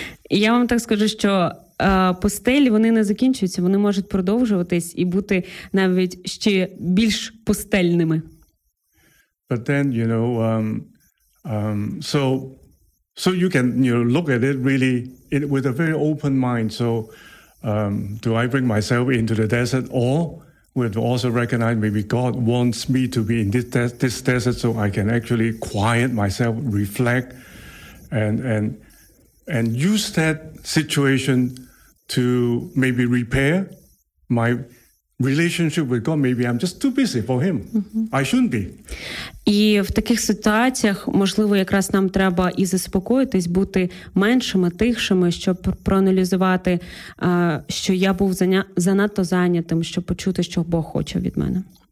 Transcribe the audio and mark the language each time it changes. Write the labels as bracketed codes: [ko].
[uk] Я вам так скажу, що пустелі, вони не закінчуються, вони можуть продовжуватись і бути навіть ще більш пустельними. [en] But then, you know, so you can, you know, look at it really with a very open mind. So, do I bring myself into the desert, or would also recognize maybe God wants me to be in this desert so I can actually quiet myself, reflect, and use that situation to maybe repair my relationship with God, maybe I'm just too busy for him. Mm-hmm. I shouldn't be. [uk] І в таких ситуаціях, можливо, якраз нам треба і заспокоїтись, бути меншими, тихшими, щоб проаналізувати, що я був занадто зайнятим, щоб почути, що Бог хоче від мене.